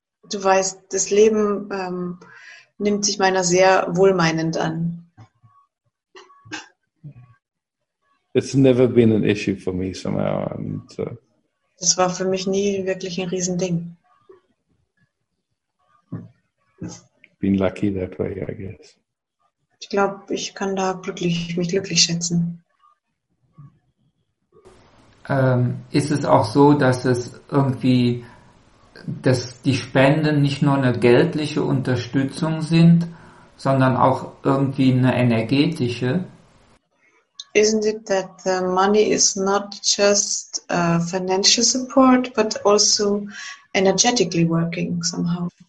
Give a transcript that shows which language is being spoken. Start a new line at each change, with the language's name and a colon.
German: Du weißt, das Leben nimmt sich meiner sehr wohlmeinend an.
English: It's never been an issue for me somehow. And,
German: das war für mich nie wirklich ein Riesending.
English: Been lucky that way, I guess.
German: Ich glaube, ich kann da mich glücklich schätzen. Ist es auch so, dass es irgendwie, dass die Spenden nicht nur eine geldliche Unterstützung sind, sondern auch irgendwie eine energetische?
English: Isn't it that the money is not just financial support, but also energetically working somehow?